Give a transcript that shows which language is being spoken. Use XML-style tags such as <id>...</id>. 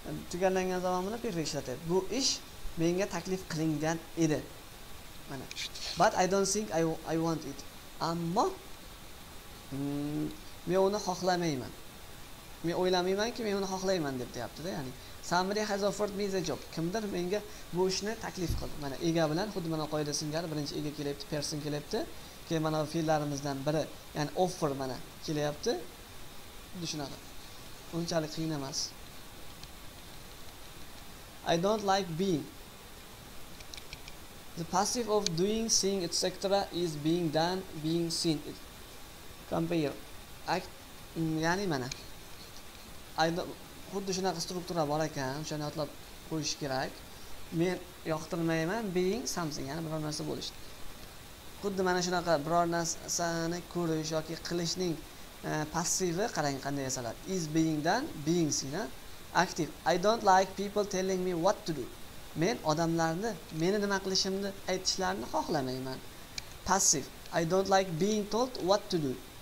<uz>Tugallangan zamonni perfect ishlatadi. Bu ish menga taklif qilingan edi. Mana.</uz> <en>But I don't think I want it.</en> <uz>Ammo men uni xohlamayman. Men o'ylamaymanki, men uni xohlayman deb deyapti-da, ya'ni</uz> <en>somebody has offered me the job.</en> <uz>Kimdir menga bu ishni taklif qildi. Mana ega bilan xuddi mana qoida singari, birinchi ega kelyapti, person kelyapti. Keyin mana fe'llarimizdan biri, ya'ni offer mana kelyapti. Xuddi shunaqa. Unchalik qiyin emas.</uz> <en>I don't like being. The passive of doing, seeing, etc. is being done, being seen.</en> <uz>Compare. Ya'ni mana xuddi shunaqa struktura bor ekan, o'shani yodlab qo'yish kerak. Men yoqtirmayman</uz> <en>being something,</en> <uz>ya'ni biror narsa bo'lish. Xuddi mana shunaqa biror narsani ko'rish yoki qilishning passivi qarang qanday yasalar.</uz> <en>Is beingdan being seen. Active. I don't like people telling me what to do.</en> <uz>Men odamlarni meni nima qilishimni aytishlarini xohlamayman.</uz> <en>Passive. I don't like being told what to do.</en>